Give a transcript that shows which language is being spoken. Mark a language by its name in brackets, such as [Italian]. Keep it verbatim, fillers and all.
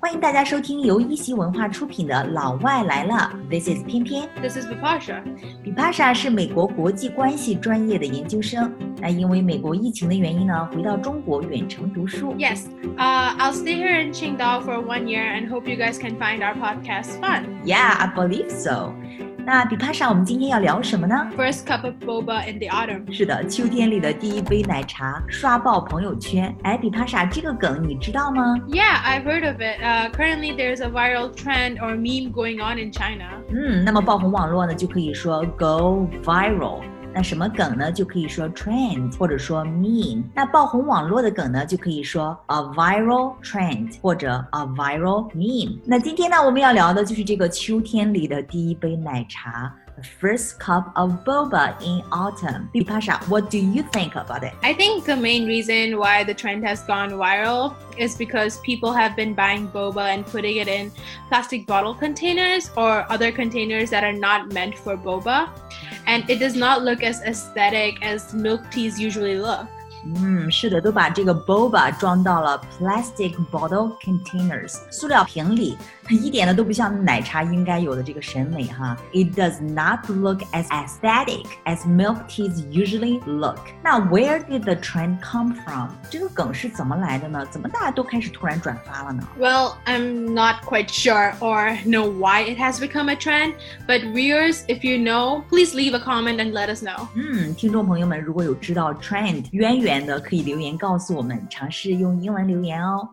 [Chinese] 欢迎大家收听由一席文化出品的《老外来了》。 [English] This is 偏偏 This is Bipasha. [Chinese] Bipasha 是美国国际关系专业的研究生。那因为美国疫情的原因呢，回到中国远程读书。 [English] Yes,、uh, I'll stay here in Qingdao for one year and hope you guys can find our podcast fun. Yeah, I believe so. [Chinese] 那比帕莎，我们今天要聊什么呢 [English] ？First cup of boba in the autumn。 [Chinese] 是的，秋天里的第一杯奶茶，刷爆朋友圈。哎，比帕莎，这个梗你知道吗 [English] ？Yeah, I've heard of it.、Uh, currently, there's a viral trend or meme going on in China. [Chinese] 嗯，那么爆红网络呢，就可以说 [English] go viral。 [Chinese] 那什么梗呢？就可以说 trend 或者说 meme。那爆红网络的梗呢，就可以说 [English] a viral trend [Chinese] 或者 [English] a viral meme。 [Chinese] 那今天呢，我们要聊的就是这个秋天里的第一杯奶茶。 [English] First cup of boba in autumn. Bipasha, what do you think about it? I think the main reason why the trend has gone viral is because people have been buying boba and putting it in plastic bottle containers or other containers that are not meant for boba. And it does not look as aesthetic as milk teas usually look. [Chinese] 嗯，是的，都把这个 boba 装到了 [English] plastic bottle containers [Chinese] 塑料瓶里，一点呢都不像奶茶应该有的这个审美哈。 [English] It does not look as aesthetic as milk teas usually look. [Chinese] 那 [English] where did the trend come from? [Chinese] 这个梗是怎么来的呢？怎么大家都开始突然转发了呢 [English] ？Well, I'm not quite sure or know why it has become a trend, but viewers, if you know, please leave a comment and let us know. [Chinese] 嗯，听众朋友们，如果有知道 trend 渊源。的可以留言告诉我们，尝试用英文留言哦。